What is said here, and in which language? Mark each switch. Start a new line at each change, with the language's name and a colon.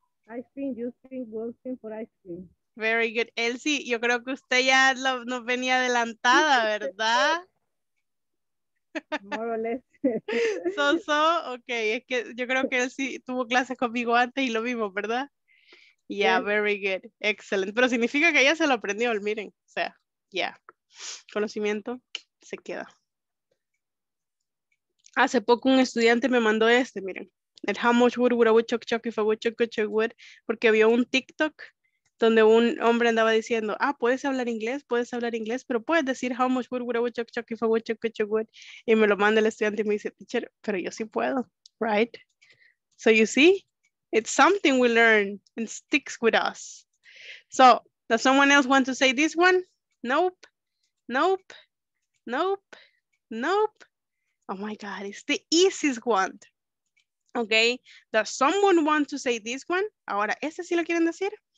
English: Ice cream, you scream, we'll scream for ice cream. Very good.
Spanish: Elsie, yo creo que usted ya nos venía adelantada, ¿verdad?
English: More or less. So, so, okay.
Spanish: Es que yo creo que Elsie tuvo clases conmigo antes y lo mismo, ¿verdad?
English: Yeah, very good. Excellent.
Spanish: Pero significa que ya se lo aprendió, miren. O sea, yeah. Conocimiento se queda. Hace poco un estudiante me mandó este, miren.
English: El how much would a woodchuck chuck if a woodchuck could chuck wood.
Spanish: Porque vio un TikTok donde un hombre andaba diciendo, ah, puedes hablar inglés, pero puedes decir
English: how much would a woodchuck chuck if a woodchuck could chuck wood.
Spanish: Y me lo manda el estudiante y me dice, teacher, pero yo sí puedo, right?
English: So you see? It's something we learn and sticks with us. So, does someone else want to say this one? Nope, nope, nope, nope. Oh my God, it's the easiest one. Okay, does someone want to say this one?
Spanish: Ahora, ¿este sí lo quieren decir?